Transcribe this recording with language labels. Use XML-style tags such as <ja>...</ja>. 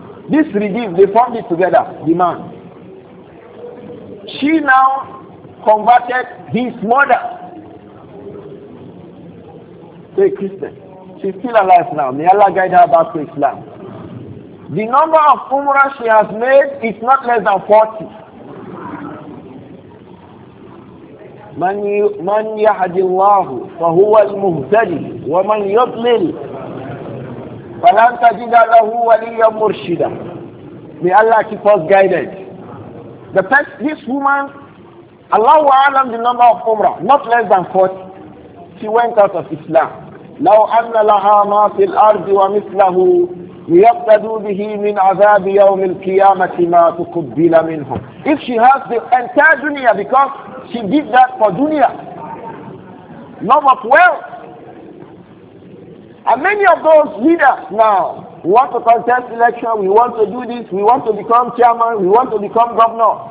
<en>This redeemed, they formed it together, the man. She now converted his mother to a Christian. She's still alive now. May Allah guide her back to Islam. The number of umrah she has made is not less than 40.</en> <ar>من يهد الله فهو المهتدي ومن يضلل فلن تجد له وليا مرشدا.</ar> <en>May Allah keep us guided. The first, this woman, Allah wa alam the number of umrah, not less than 40. She went out of Islam.</en> <ar>لو أن لها ما في الأرض ومثله ليقتدوا به من عذاب يوم القيامة ما تقبل منهم.</ar> <en>If she has the entire dunya, because she did that for dunya, love of wealth. And many of those leaders now, we want to contest election, we want to do this, we want to become chairman, we want to become governor.</en>